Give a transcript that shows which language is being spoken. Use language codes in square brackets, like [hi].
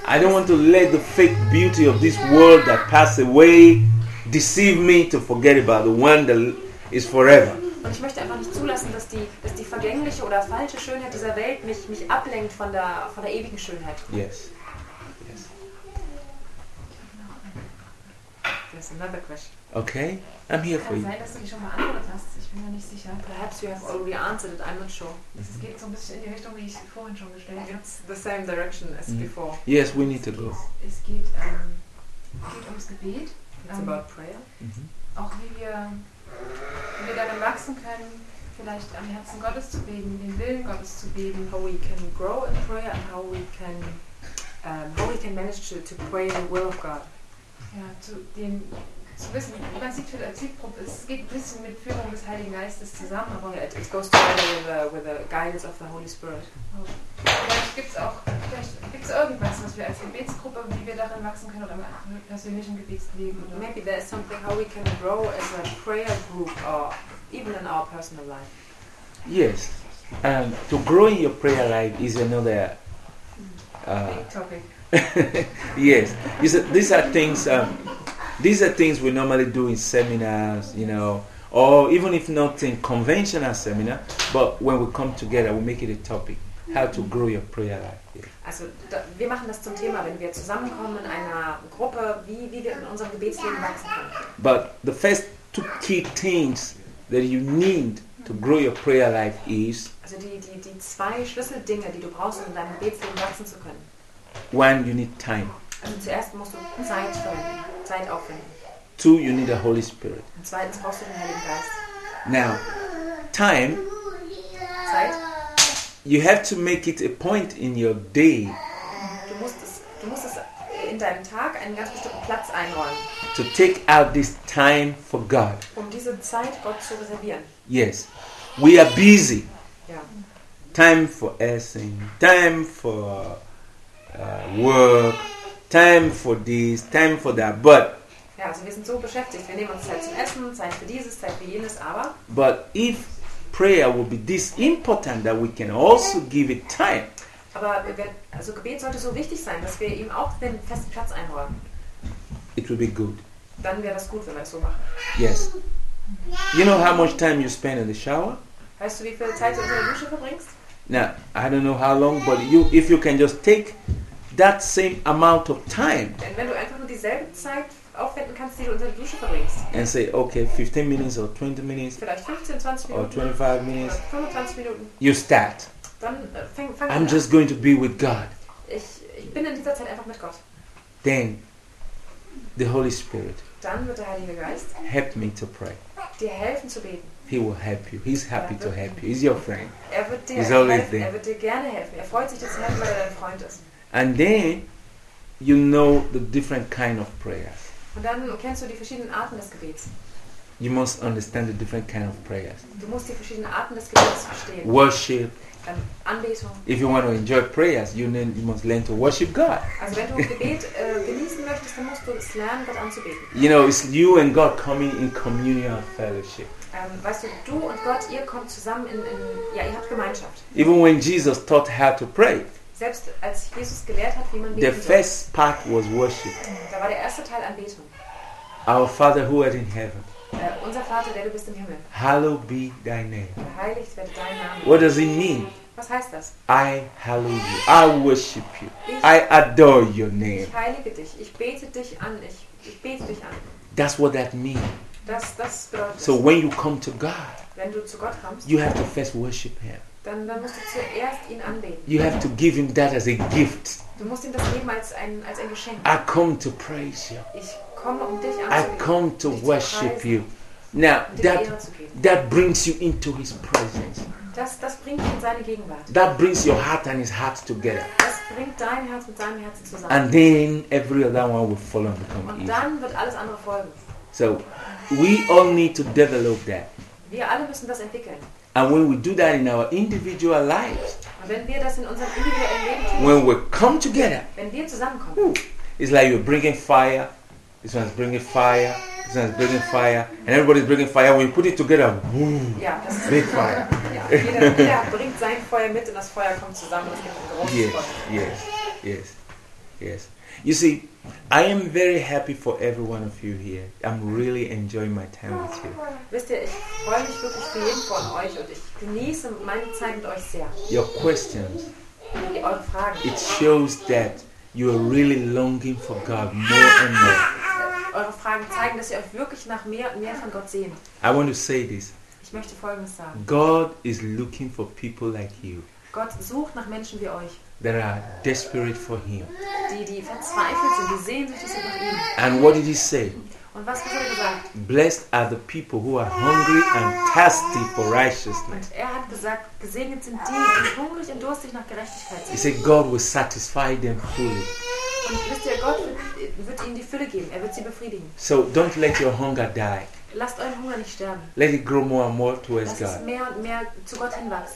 [en] I don't want to let the fake beauty of this world that passed away deceive me to forget about the one that is forever. [de] Und ich möchte einfach nicht zulassen, dass die vergängliche oder falsche Schönheit dieser Welt mich ablenkt von der ewigen Schönheit. [en] Yes. Another question. Okay, I'm here for you. [de] Kann sein, dass du die schon beantwortet hast. Ich bin mir nicht sicher. [en] Perhaps you have already answered it. I'm not sure. [de] Es geht so ein bisschen in die Richtung, wie ich vorhin schon gestellt habe. [en] It's the same direction as before. Yes, we need to go. [de] Es geht ums Gebet. [en] It's about prayer. Mm-hmm. [de] Auch wie wir darin wachsen können, vielleicht am Herzen Gottes zu beten, den Willen Gottes zu beten. [en] How we can grow in prayer and how we can manage to pray the will of God. [de] Ja, zu wissen, man sieht für den Zielgrupp, es geht ein bisschen mit Führung des Heiligen Geistes zusammen, aber [en] yeah, it goes together with the guidance of the Holy Spirit. Oh. [de] Vielleicht gibt's irgendwas, was wir als Gebetsgruppe, wie wir darin wachsen können, oder im persönlichen Gebetsleben. Oder? [en] Maybe there is something how we can grow as a prayer group or even in our personal life. Yes, to grow in your prayer life is another big topic. Yes, you see, these are things we normally do in seminars, you know, or even if not in conventional seminar, but when we come together, we make it a topic, how to grow your prayer life. [de] Also, wir machen das zum Thema, wenn wir zusammenkommen in einer Gruppe, wie wir in unserem Gebetsleben wachsen können. [en] But the first two key things that you need to grow your prayer life is. [de] Also die zwei Schlüsseldinge, die du brauchst, um deinem Gebetsleben wachsen zu können. [en] One, you need time. [de] Also zuerst musst du Zeit aufwenden. [en] Two, you need the Holy Spirit. [de] Und zweitens brauchst du den Heiligen Geist. [en] Now, time. [de] Zeit. [en] You have to make it a point in your day. [de] Du musst es in deinem Tag einen ganz bestimmten Platz einräumen. [en] To take out this time for God. [de] Um diese Zeit Gott zu reservieren. [en] Yes. We are busy. Yeah. Time for essen, time for work, time for this, time for that. But [de] ja, also wir sind so beschäftigt, wir nehmen uns Zeit zum Essen, Zeit für dieses, Zeit für jenes, aber [en] but if prayer will be this important that we can also give it time. [de] Aber wenn, also Gebet sollte so wichtig sein, dass wir ihm auch den festen Platz einräumen. [en] It will be good. [de] Dann wäre das gut, wenn wir es so machen. [en] Yes. You know how much time you spend in the shower? [de] Weißt du, wie viel Zeit du unter der Dusche verbringst? [en] Now, I don't know how long, but if you can just take that same amount of time. [de] Und wenn du einfach nur dieselbe Zeit aufwenden kannst, die du unter der Dusche verbringst. [en] And say, okay, 15 minutes or 20 minutes. [de] Vielleicht 15, 20 Minuten. [en] Or 25 minutes. [de] 25 Minuten. [en] You start. [de] Dann fang [en] I'm just going to be with God. [de] Ich bin in dieser Zeit einfach mit Gott. [en] Then, the Holy Spirit. [de] Dann wird der Heilige Geist. [en] Help me to pray. [de] Dir helfen zu beten. [en] He will help you. He's happy to help you. He's your friend. [de] Er wird dir helfen. [en] Always there. [de] Er wird dir gerne helfen. Er freut sich, dass er helfen, weil er dein Freund ist. [en] And then, you know the different kind of prayers. [de] Und dann kennst du die verschiedenen Arten des Gebets. [en] You must understand the different kind of prayers. [de] Du musst die verschiedenen Arten des Gebets verstehen. [en] Worship. [de] Anbetung. [en] If you want to enjoy prayers, you must learn to worship God. [de] Also wenn du Gebet genießen möchtest, dann musst du es lernen, Gott anzubeten. [en] You know, it's you and God coming in communion fellowship. [de] Weißt du und Gott, ihr kommt zusammen ihr habt Gemeinschaft. [en] Even when Jesus taught how to pray. [de] Selbst als Jesus gelehrt hat, wie man betet. [en] The first part was worship. [de] Da war der erste Teil Anbetung. [en] Our Father who art in heaven. [de] Unser Vater, der du bist im Himmel. [en] Hallowed be thy name. [de] Geheiligt werde dein Name. [en] What does it mean? [de] Was heißt das? [en] I hallow you. I worship you. I adore your name. [de] Ich heilige dich. Ich bete dich an. Ich bete dich an. [en] That's what that means. [de] Das bedeutet. [en] So when you come to God. [de] Wenn du zu Gott kommst. [en] You have to first worship him. [de] Dann musst du zuerst ihn anbeten. [en] You have to give him that as a gift. [de] Du musst ihm das geben als ein Geschenk. [en] I come to praise you. [de] Ich komme, um dich anzubeten. [en] I come to worship you. Now, that brings you into his presence. [de] Das bringt ihn in seine Gegenwart. [en] That brings your heart and his heart together. [de] Das bringt dein Herz mit seinem Herzen zusammen. [en] And then every other one will follow and become [de] easy. Und dann wird alles andere folgen. [en] So, we all need to develop that. [de] Wir alle müssen das entwickeln. [en] And when we do that in our individual lives, [de] und wenn wir das in unserem individuellen Leben tun, [en] when we come together, [de] wenn wir zusammenkommen, [en] it's like you're bringing fire, this one's bringing fire, this one's bringing fire, and everybody's bringing fire. When you put it together, boom, [de] ja, [en] big fire. [de] Ja, jeder bringt sein Feuer mit und das Feuer kommt zusammen und es gibt ein großes [en] yes, [de] Feuer. [en] Yes, yes, yes. You see, I am very happy for every one of you here. I'm really enjoying my time with you. [de] Wisst ihr, ich freue mich wirklich für jeden von euch und ich genieße meine Zeit mit euch sehr. [en] Your questions. [de] Eure Fragen. [en] It shows that you are really longing for God more and more. [de] Eure Fragen zeigen, dass ihr euch wirklich nach mehr und mehr von Gott sehnt. [en] I want to say this. [de] Ich möchte Folgendes sagen. [en] God is looking for people like you. [de] Gott sucht nach Menschen wie euch. [en] That are desperate for him. [de] Die verzweifelt sind, die sehnsüchtig sind nach ihm. [en] And what did he say? [de] Und was hat er gesagt? [en] Blessed are the people who are hungry and thirsty for righteousness. [de] Und er hat gesagt, gesegnet sind die, die hungrig und durstig nach Gerechtigkeit sind. [en] He said God will satisfy them fully. [de] Und wisst ihr, Gott wird ihnen die Fülle geben. Er wird sie befriedigen. [en] So don't let your hunger die. [de] Lasst euren Hunger nicht sterben. [en] Let it grow more and more towards [de] Lasst [en] God. [de] Es mehr und mehr zu Gott hinwachsen.